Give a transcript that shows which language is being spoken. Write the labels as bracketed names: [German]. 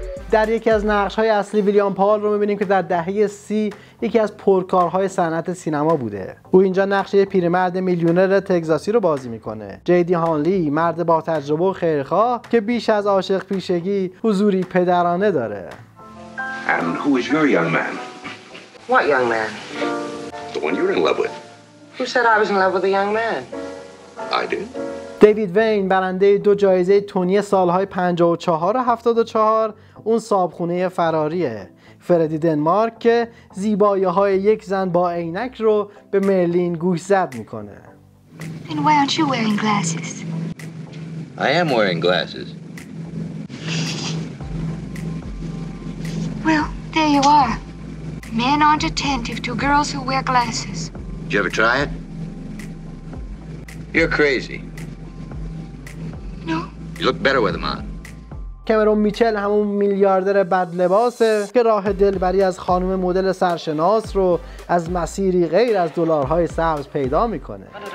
[Persian] در یکی از نقشهای اصلی ویلیام پال رو میبینیم که در دهه 30 یکی از پرکارهای صنعت سینما بوده. او اینجا نقش پیرمرد میلیونر تگزاسی رو بازی میکنه. جیدی هانلی مرد با تجربه و خیرخواه که بیش از عاشق پیشگی حضوری پدرانه داره. [English] And who is your young man? What young man? The one you're in love with. Who said I was in love with a young man? I did. [Persian] دیوید وین برنده 2 جایزه تونی سالهای 54 و 74 اون صابخونه فراریه. فردی دنمارک که زیبایی های یک زن با عینک رو به مرلین گوشزد میکنه. [English] Then why aren't you wearing glasses? I am wearing glasses. Well, there you are. Men aren't attentive to girls who wear glasses. Did you ever try it? You're crazy. No. You look better with them on. [Persian] کامرون میچل همون میلیاردر بدلباسه که راه دلبری از خانم مدل سرشناس رو از مسیری غیر از دلارهای سبز پیدا میکنه.